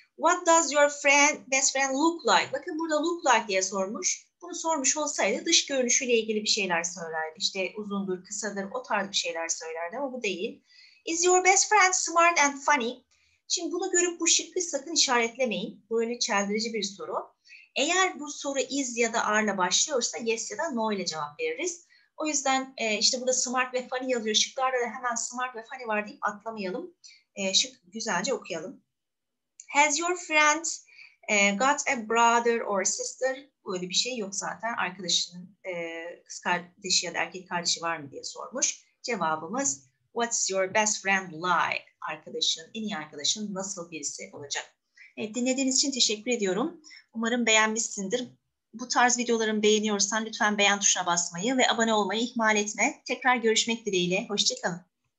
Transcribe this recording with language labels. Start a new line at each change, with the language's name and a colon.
English: What does your friend best friend look like?
Turkish: Bakın burada look like diye sormuş. Bunu sormuş olsaydı dış görünüşüyle ilgili bir şeyler söylerdi. İşte uzundur, kısadır, o tarz bir şeyler söylerdi ama bu değil.
English: Is your best friend smart and funny?
Turkish: Şimdi bunu görüp bu şıkkı sakın işaretlemeyin. Böyle çeldirici bir soru. Eğer bu soru is ya da are ile başlıyorsa yes ya da no ile cevap veririz. O yüzden işte burada smart ve funny yazıyor. Şıklarda da hemen smart ve funny var deyip atlamayalım. Şık güzelce okuyalım.
English: Has your friend got a brother or sister?
Turkish: Böyle bir şey yok zaten. Arkadaşının kız kardeşi ya da erkek kardeşi var mı diye sormuş. Cevabımız
English: what's your best friend like?
Turkish: Arkadaşın, en iyi arkadaşın nasıl birisi olacak? Evet, dinlediğiniz için teşekkür ediyorum. Umarım beğenmişsindir. Bu tarz videolarımı beğeniyorsan lütfen beğen tuşuna basmayı ve abone olmayı ihmal etme. Tekrar görüşmek dileğiyle. Hoşça kalın.